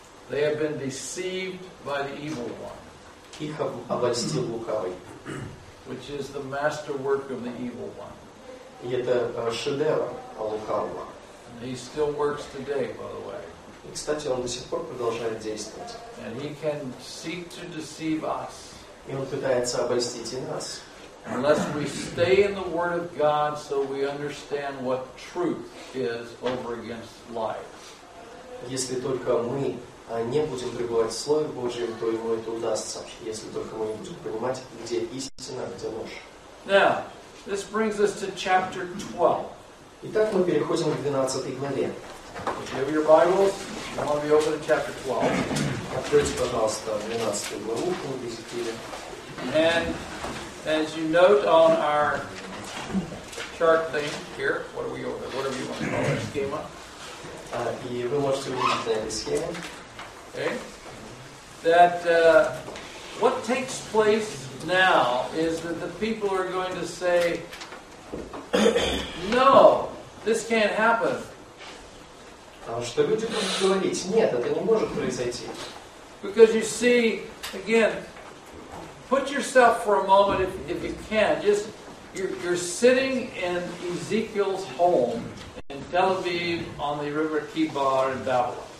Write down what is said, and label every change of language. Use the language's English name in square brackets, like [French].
[English] They have been deceived by the evil one. [Russian] Их обольстил лукавый. [English] Which is the masterwork of the evil one. [Russian] И это шедевр лукавого. [English] And he still works today, by the way. [Russian] И, кстати, он до сих пор продолжает действовать. [English] And he can seek to deceive us. [Russian] И он пытается обольстить и нас. [English] Unless we stay in the Word of God, so we understand what truth is over against lies. [Russian] Если только мы не будем пребывать в Слове Божьем, то ему это удастся. Если только мы не будем понимать, где истина, где ложь. [English] Now, this brings us to chapter 12. [Russian] Итак, мы переходим к 12 главе. [English] If you have your Bibles, you want to be open to chapter 12. [Russian] Откройте, пожалуйста, 12 главу книги Иезекииля. [English] And as you note on our chart thing here, what are we, whatever you want to call our schema, [Russian] И вы можете увидеть на этой схеме. [English] Okay. That what takes place now is that the people are going to say, no, this can't happen. [Russian] Что люди будут говорить? Нет, это не может произойти. [English] Because you see, again, put yourself for a moment, if you can, just you're sitting in Ezekiel's home in Tel Aviv on the river Kibar in Babylon.